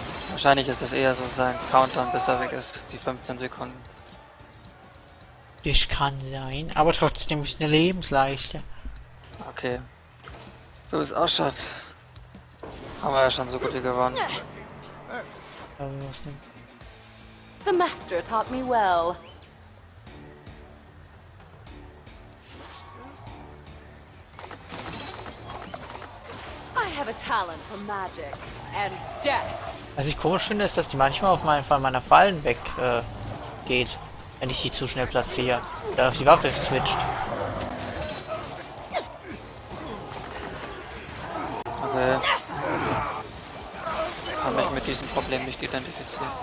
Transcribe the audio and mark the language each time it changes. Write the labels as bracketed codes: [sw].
[de] Wahrscheinlich ist das eher so sein Countdown, bis er weg ist, die 15 Sekunden. Das kann sein, aber trotzdem ist eine Lebensleiste. Okay. So ist auch schon. Haben wir ja schon so gut wie gewonnen. [en] The Master taught me well. I have a talent for magic and death. [de] Was ich komisch finde, ist, dass die manchmal auf meinen Fall meiner Fallen weg geht, wenn ich die zu schnell platziere. Oder auf die Waffe switcht. Okay. Kann mich mit diesem Problem nicht identifizieren.